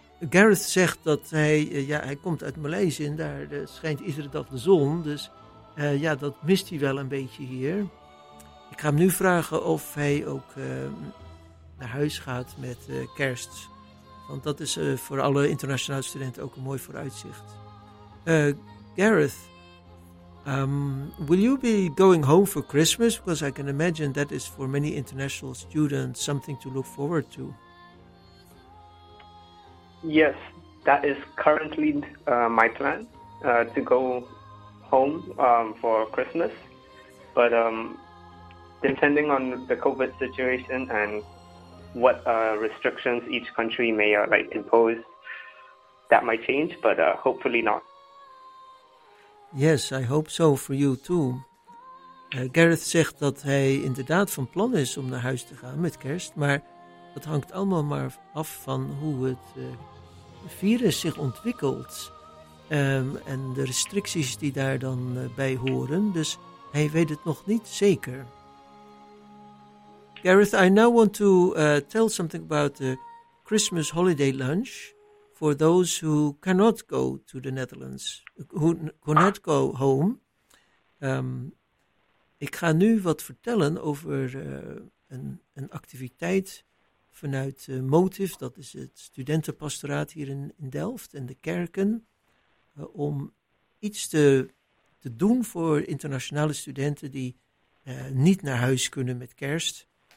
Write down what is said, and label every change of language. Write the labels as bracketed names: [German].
[Dutch] Gareth zegt dat hij, hij komt uit Maleisië en daar schijnt iedere dag de zon. Dus dat mist hij wel een beetje hier. Ik ga hem nu vragen of hij ook naar huis gaat met kerst. Want dat is voor alle internationale studenten ook een mooi vooruitzicht. [English] Gareth, will you be going home for Christmas? Because I can imagine that is for many international students something to look forward to. Yes, that is currently my plan, to go home for Christmas. But depending on the COVID situation and what restrictions each country may impose, that might change, but hopefully not. Yes, I hope so for you too. [Dutch] Gareth zegt dat hij inderdaad van plan is om naar huis te gaan met kerst, maar dat hangt allemaal maar af van hoe het virus zich ontwikkelt en de restricties die daar dan bij horen. Dus hij weet het nog niet zeker. [English] Gareth, I now want to tell something about the Christmas holiday lunch for those who cannot go to the Netherlands, who cannot go home. [Dutch] Ik ga nu wat vertellen over een activiteit vanuit Motive, dat is het studentenpastoraat hier in Delft en de kerken, om iets te doen voor internationale studenten die niet naar huis kunnen met kerst.